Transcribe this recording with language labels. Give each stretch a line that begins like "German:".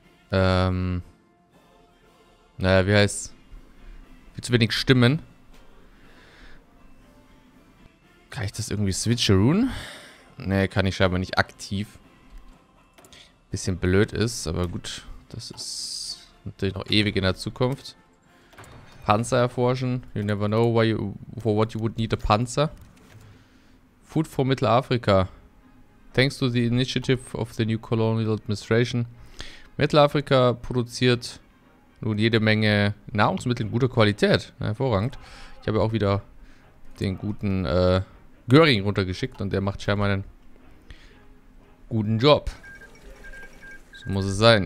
German: Naja, wie heißt's? Viel zu wenig Stimmen. Kann ich das irgendwie switcheroon? Nee, kann ich scheinbar nicht aktiv. Bisschen blöd ist, aber gut. Das ist natürlich noch ewig in der Zukunft. Panzer erforschen.
English: You never know why for what you would need a Panzer. Food for Middle Africa. Thanks to the initiative of the new colonial administration.
German: Mittelafrika produziert nun jede Menge Nahrungsmittel in guter Qualität. Hervorragend. Ich habe auch wieder den guten Göring runtergeschickt und der macht scheinbar einen guten Job. So muss es sein.